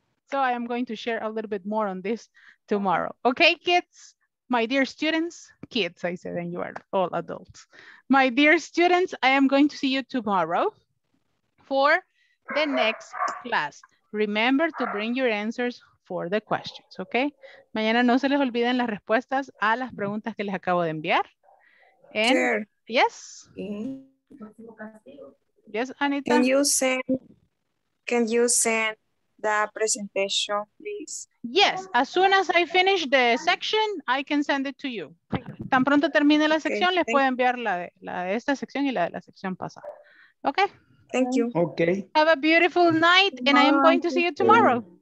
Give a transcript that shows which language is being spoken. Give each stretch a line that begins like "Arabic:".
English: So I am going to share a little bit more on this tomorrow. Okay, kids, my dear students, kids, I said, and you are all adults. My dear students, I am going to see you tomorrow for the next class. Remember to bring your answers for the questions, okay?
Spanish: Mañana no se les olviden las respuestas a las preguntas que les acabo de enviar.
English: And, sure. Yes. Yes, Anita. Can you send the presentation, please? Yes, as soon as I finish the section, I can send it to you.
Spanish: Tan pronto termine la sección, okay, les puedo enviar la de esta sección y la de la sección pasada.
English: Okay. Thank you. Okay. Have a beautiful night, and I am going to see you tomorrow.